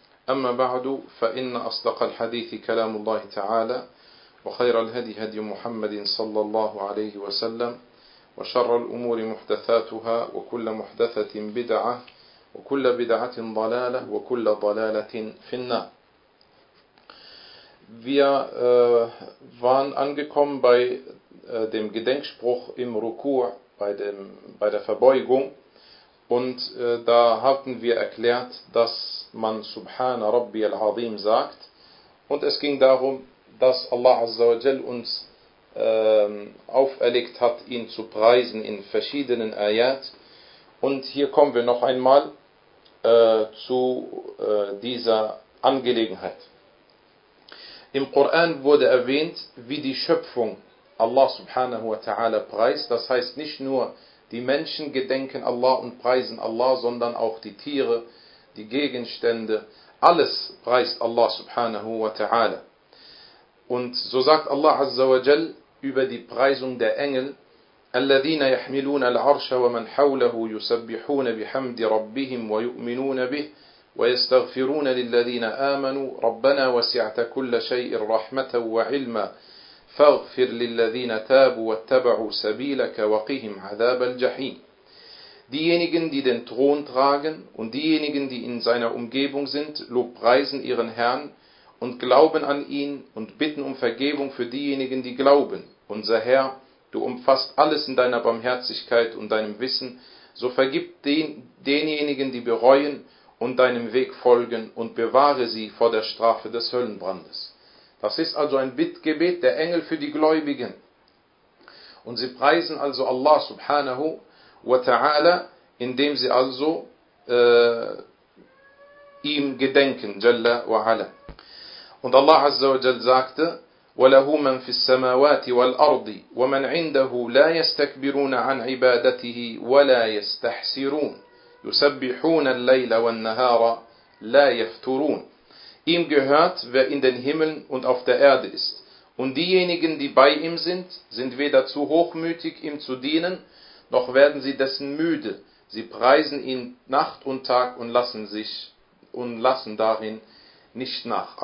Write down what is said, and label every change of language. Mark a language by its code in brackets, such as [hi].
[ar] أما بعد، فإن أصدق الحديث كلام الله تعالى، وخير الهدي هدي محمد صلى الله عليه وسلم، وشر الأمور محدثاتها، وكل محدثة بدعة، وكل بدعة ضلالة، وكل ضلالة في النار. [de] Wir waren angekommen bei dem Gedenkspruch im Ruku', bei der Verbeugung, und da hatten wir erklärt, dass man Subhana Rabbi al-Azim sagt, und es ging darum, dass Allah Azza wa Jal uns auferlegt hat, ihn zu preisen in verschiedenen Ayat. Und hier kommen wir noch einmal zu dieser Angelegenheit. Im Koran wurde erwähnt, wie die Schöpfung Allah subhanahu wa ta'ala preist. Das heißt, nicht nur die Menschen gedenken Allah und preisen Allah, sondern auch die Tiere, die Gegenstände, alles preist Allah subhanahu wa ta'ala. Und so sagt Allah azza wa jal über die Preisung der Engel: [ar] الذين يحملون العرش ومن حوله يسبحون بحمد ربهم ويؤمنون به ويستغفرون للذين آمنوا ربنا وسعت كل شيء رحمة وعلما فاغفر للذين تابوا واتبعوا سبيلك وقهم عذاب الجحيم. [de] Diejenigen, die den Thron tragen und diejenigen, die in seiner Umgebung sind, lobpreisen ihren Herrn und glauben an ihn und bitten um Vergebung für diejenigen, die glauben. Unser Herr, du umfasst alles in deiner Barmherzigkeit und deinem Wissen, so vergib denjenigen, die bereuen und deinem Weg folgen, und bewahre sie vor der Strafe des Höllenbrandes. Das ist also ein Bittgebet der Engel für die Gläubigen. Und sie preisen also Allah subhanahu wa ta'ala, indem sie also ihm gedenken, jalla wa ala. Und Allah azza wa jalla sagte: [ar] وله من في السماوات والأرض ومن عنده لا يستكبرون عن عبادته ولا يستحسرون يسبحون الليل والنهار لا يفترون. [de] Ihm gehört, wer in den Himmeln und auf der Erde ist. Und diejenigen, die bei ihm sind, sind weder zu hochmütig, ihm zu dienen, noch werden sie dessen müde. Sie preisen ihn Nacht und Tag und lassen darin nicht nach.